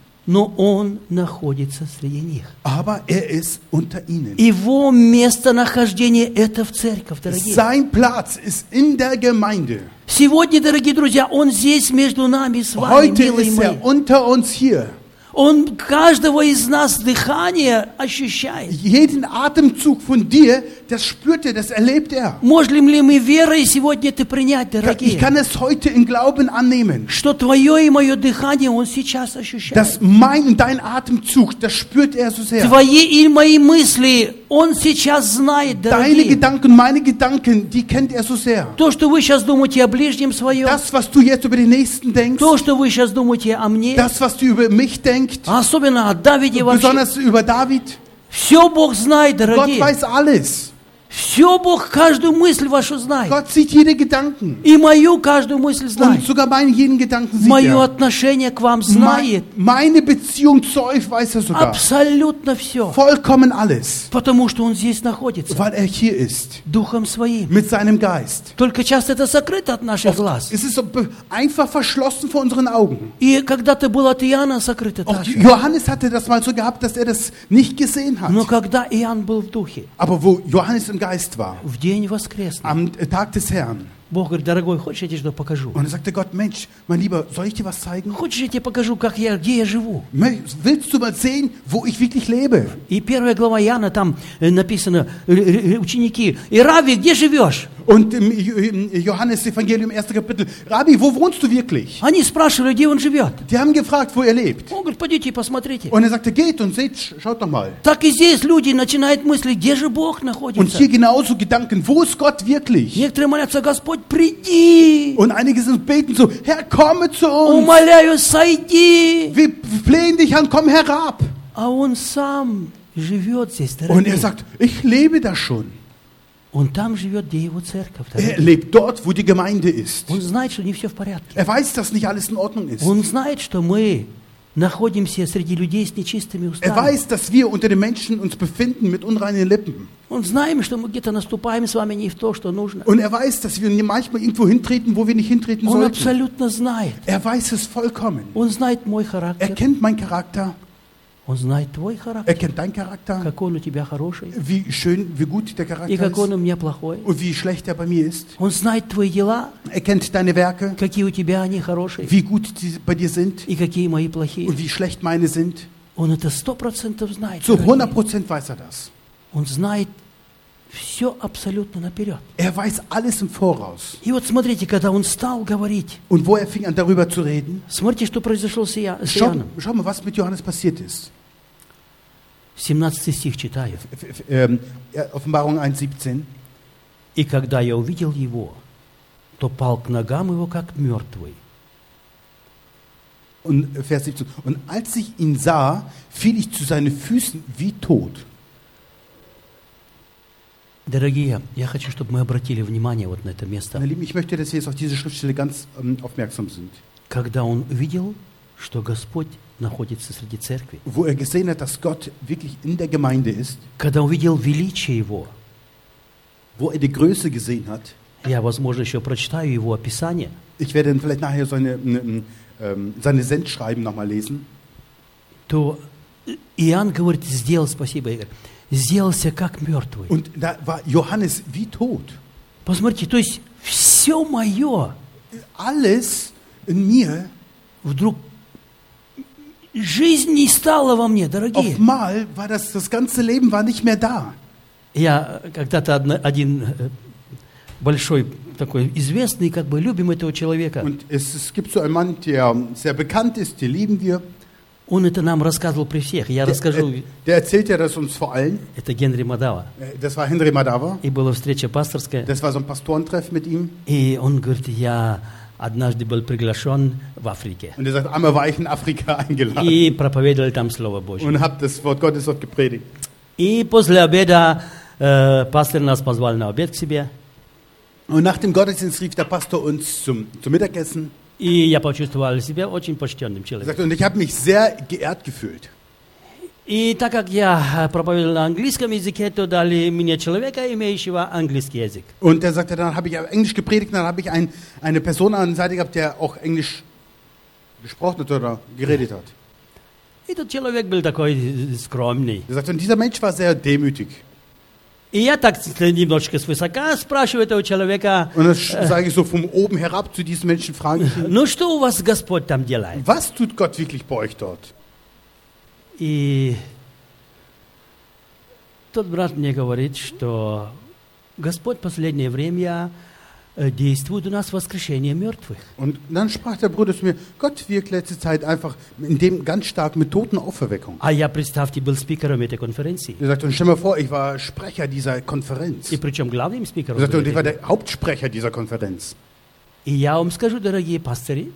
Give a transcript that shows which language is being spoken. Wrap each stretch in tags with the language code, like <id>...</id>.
<ru>Но он находится среди них.</ru> <de>Aber er ist unter ihnen.</de> <ru>Его местонахождение это в церковь, дорогие.</ru> <de>Sein Platz ist in der Gemeinde.</de> <ru>Сегодня, дорогие друзья, он здесь между нами с вами,</ru> <de>Heute</de> <ru>милые</ru> <de>ist</de> <ru>мои.</ru> <de>Er unter uns hier.</de> <ru>Он каждого из нас дыхание ощущает.</ru> <de>Jeden Atemzug von dir, das spürt er, das erlebt er.</de> <ru>Можем ли мы верой сегодня это принять, дорогие?</ru> <de>Ich kann es heute im Glauben annehmen.</de> <ru>Что твое и мое дыхание он сейчас ощущает.</ru> <de>Das mein, dein Atemzug, das spürt er so sehr.</de> <ru>Твои и мои мысли он сейчас знает, дорогие.</ru> <de>Deine Gedanken, meine Gedanken, die kennt er so sehr.</de> <ru>То, что вы сейчас думаете о ближнем своем.</ru> <de>Das, was du jetzt über den Nächsten denkst.</de> <ru>То, что вы сейчас думаете о мне.</ru> <de>Das, was du über mich denkst.</de> <ru>Особенно о Давиде вообще.</ru> <de>Besonders über David.</de> <ru>Все Бог знает, дорогие.</ru> <de>Gott weiß alles.</de> <ru>Все Бог каждую мысль вашу знает.</ru> <de>Gott sieht jede Gedanken.</de> <ru>И мою каждую мысль знает.</ru> <de>Und sogar meinen jeden Gedanken sieht</de> <ru>Мое</ru> <de>er.</de> <ru>Отношение к вам знает.</ru> <de>Meine Beziehung zu euch weiß er sogar.</de> <ru>Абсолютно все.</ru> <de>Vollkommen alles.</de> <ru>Потому что он здесь находится.</ru> <de>Weil er hier ist.</de> <ru>Духом своим.</ru> <de>Mit seinem Geist.</de> <ru>Только часто это сокрыто от наших</ru> <de>Oft</de> <ru>глаз.</ru> <de>Es ist so einfach verschlossen vor unseren Augen.</de> <ru>И когда-то было от Иоанна сокрыто.</ru> <de>Auch Johannes hatte das mal so gehabt, dass er das nicht gesehen hat.</de> <ru>Но когда Иоанн был в духе.</ru> <de>Aber wo Johannes im Geist war.</de> <ru>В день воскресный.</ru> <de>Am Tag des Herrn.</de> <ru>Бог говорит, дорогой, хочешь, я тебе что покажу?</ru> <de>Und er sagte, Gott, Mensch, mein Lieber, soll ich dir was zeigen?</de> <ru>Хочешь, я тебе покажу, как я, где я живу?</ru> <de>Willst du mal sehen, wo ich wirklich lebe?</de> <ru>И первая глава Иоанна, там написано, ученики, и Рави, где живешь?</ru> <de>Und im Johannes Evangelium, 1. Kapitel, Rabbi, wo wohnst du wirklich?</de> <ru>Они спрашивали, где он живет?</ru> <de>Die haben gefragt, wo er lebt.</de> <ru>Он говорит, пойдите и посмотрите.</ru> <de>Und er sagte, geht und seht, schaut doch mal.</de> <ru>Так и здесь люди начинают мыслить, где же Бог находится?</ru> <de>Und hier genauso Gedanken, wo ist Gott wirklich?</de> <ru>Некоторые молятся, Господь, приди.</ru> <de>Und einige sind beten so, Herr, komme zu uns.</de> <ru>Умоляю, сойди.</ru> <de>Wir flehen dich an, komm herab.</de> <ru>А он сам живет здесь, дорогие.</ru> <de>Und er sagt, ich lebe da schon.</de> <ru>Он там живет, где его церковь.</ru> <de>Er lebt dort, wo die Gemeinde ist.</de> <ru>Он знает, что не все в порядке.</ru> <de>Er weiß, dass nicht alles in Ordnung ist.</de> <ru>Он знает, что мы находимся среди людей с нечистыми устами.</ru> <de>Er weiß, dass wir unter den Menschen uns befinden mit unreinen Lippen. Und</de> <ru>знаем, что мы где-то наступаем с вами не в то, что нужно.</ru> <de>Und er weiß, dass wir manchmal irgendwo hintreten, wo wir nicht hintreten sollten.</de> <ru>Он абсолютно знает.</ru> <de>Er weiß es vollkommen.</de> <ru>Он знает мой характер.</ru> <de>Er kennt meinen Charakter.</de> <ru>Он знает твой характер.</ru> <de>Er kennt deinen Charakter.</de> <ru>Какой он у тебя хороший.</ru> <de>Wie schön, wie gut der Charakter ist.</de> <ru>И какой он у меня плохой.</ru> <de>Und wie schlecht er bei mir ist.</de> <ru>Он знает твои дела.</ru> <de>Er kennt deine Werke.</de> <ru>Какие у тебя они хорошие.</ru> <de>Wie gut die bei dir sind.</de> <ru>И какие мои плохие.</ru> <de>Und wie schlecht meine sind.</de> <ru>Он это 100% знает.</ru> <de>Zu 100% weiß er das.</de> <ru>Он знает все абсолютно наперед.</ru> <de>Er weiß alles im Voraus.</de> <ru>И вот смотрите, когда он стал говорить.</ru> <de>Und wo er fing an darüber zu reden.</de> <ru>Смотрите, что произошло с Иоанном.</ru> <de>Schau mal, was mit Johannes passiert ist.</de> <ru>17 стих читаю.</ru> <de>Offenbarung 1:17.</de> <ru>И когда я увидел его, то пал к ногам его как мертвый.</ru> <de>Und Vers 17. Und als ich ihn sah, fiel ich zu seinen Füßen wie tot.</de> <ru>Дорогие, я хочу, чтобы мы обратили внимание вот на это место.</ru> <de>Ich möchte, dass wir jetzt auf diese Schriftstelle ganz aufmerksam sind.</de> <ru>Когда он увидел, что Господь находится среди церкви.</ru> <de>Wo er gesehen hat, dass Gott wirklich in der Gemeinde ist.</de> <ru>Когда он увидел величие его.</ru> <de>Wo er die Größe gesehen hat.</de> <ru>Я, возможно, еще прочитаю его описание.</ru> <de>Ich werde dann vielleicht nachher seine Sendschreiben nochmal lesen.</de> <ru>То Иоанн говорит, сделал спасибо, Игорь. Сделался как мертвый.</ru> <de>Und da war Johannes wie tot.</de> <ru>Посмотрите, то есть все мое,</ru> <de>alles in mir,</de> <ru>вдруг жизнь не стала во мне, дорогие.</ru> <de>Auf mal war das, das ganze Leben war nicht mehr da.</de> <ru>Я когда-то один большой такой известный, как бы любим этого человека.</ru> <de>Und es gibt so einen Mann, der sehr bekannt ist, den lieben wir.</de> <ru>Он это нам рассказывал при всех. Я расскажу.</ru> <de>Der erzählte das uns vor allen.</de> <ru>Это Генри Мадава.</ru> <de>Das war Henry Madawa.</de> <ru>И была встреча пасторская.</ru> <de>Das war so ein Pastorentreff mit ihm.</de> <ru>И он говорит, я однажды был приглашен в Африке.</ru> <de>Und er sagt, einmal war ich in Afrika eingeladen.</de> <ru>И проповедовал там слово Божье.</ru> <de>Und hab das Wort Gottes dort gepredigt.</de> <ru>И после обеда пастор нас позвал на обед к себе.</ru> <de>Und nach dem Gottesdienst rief der Pastor uns zum Mittagessen.</de> <ru>И я почувствовал себя очень почтенным человеком.</ru> <de>Und ich habe mich sehr geehrt gefühlt.</de> <ru>И так как я проповедовал на английском языке, то дали мне человека, имеющего английский язык.</ru> <de>Und er sagte, dann habe ich Englisch gepredigt, dann habe ich eine Person an der Seite gehabt, der auch Englisch gesprochen hat oder geredet hat.</de> <ru>И тот человек был такой скромный.</ru> <de>Er sagte, und dieser Mensch war sehr demütig.</de> <ru>И я так немножечко свысока спрашиваю этого человека.</ru> <de>Und das sage ich so von oben herab zu diesem Menschen, frage ich ihn.</de> <ru>Ну что у вас Господь там делает?</ru> <de>Was tut Gott wirklich bei euch dort?</de> <ru>И тот брат мне говорит, что Господь последнее время действует у нас в воскрешении мертвых.</ru> <de>Und dann sprach der Bruder zu mir, Gott wirkt letzte Zeit einfach in dem ganz stark mit Totenauferweckung.</de> <ru>А я, представьте, был спикером этой конференции.</ru> <de>Er sagte, und stell mal vor, ich war Sprecher dieser Konferenz.</de> <ru>И причем главным спикером.</ru> <de>Er sagte, und ich war der Hauptsprecher dieser Konferenz.</de> <ru>И я вам скажу, дорогие пастыри.</ru>